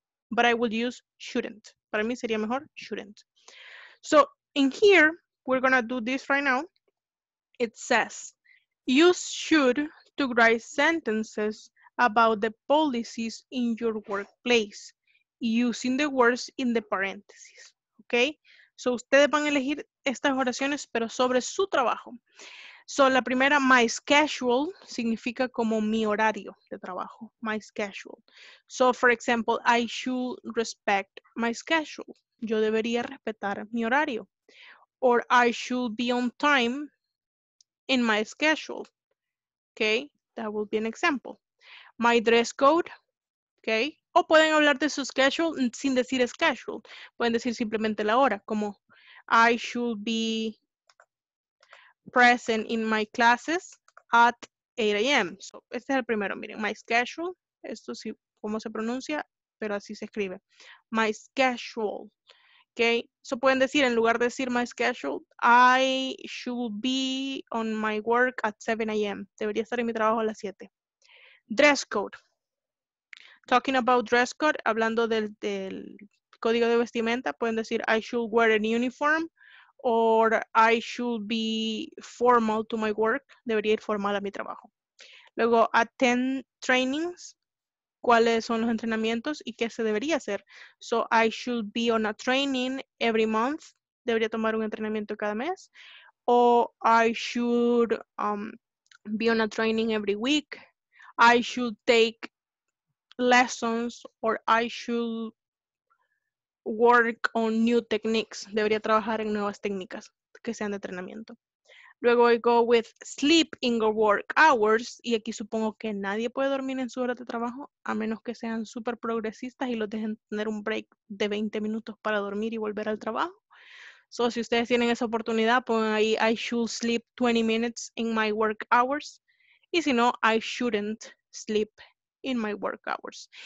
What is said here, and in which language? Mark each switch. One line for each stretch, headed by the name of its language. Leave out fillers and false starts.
English: But I would use shouldn't.
Spanish: Para mí sería mejor shouldn't.
English: So in here, we're gonna do this right now. It says, use should to write sentences about the policies in your workplace using the words in the parentheses, okay?
Spanish: So ustedes van a elegir estas oraciones, pero sobre su trabajo. So la primera, my schedule, significa como mi horario de trabajo, my schedule.
English: So for example, I should respect my schedule.
Spanish: Yo debería respetar mi horario.
English: Or I should be on time in my schedule. Okay, that will be an example. My dress code, okay.
Spanish: O pueden hablar de su schedule sin decir schedule. Pueden decir simplemente la hora, como
English: I should be present in my classes at 8 a.m.
Spanish: So, este es el primero, miren, my schedule. Esto sí, cómo se pronuncia, pero así se escribe.
English: My schedule. Okay, so
Spanish: pueden decir, en lugar de decir
English: my schedule, I should be on my work at 7 a.m.
Spanish: Debería estar en mi trabajo a las 7.
English: Dress code. Talking about dress code,
Spanish: hablando del código de vestimenta, pueden decir
English: I should wear a uniform or I should be formal to my work.
Spanish: Debería ir formal a mi trabajo. Luego, attend trainings. ¿Cuáles son los entrenamientos y qué se debería hacer?
English: So, I should be on a training every month.
Spanish: Debería tomar un entrenamiento cada mes.
English: O, I should be on a training every week. I should take lessons. Or, I should work on new techniques.
Spanish: Debería trabajar en nuevas técnicas que sean de entrenamiento.
English: Luego, I go with sleep in your work hours.
Spanish: Y aquí supongo que nadie puede dormir en su hora de trabajo, a menos que sean súper progresistas y los dejen tener un break de 20 minutos para dormir y volver al trabajo. So, si ustedes tienen esa oportunidad, pongan ahí,
English: I should sleep 20 minutes in my work hours.
Spanish: Y si no,
English: I shouldn't sleep in my work hours.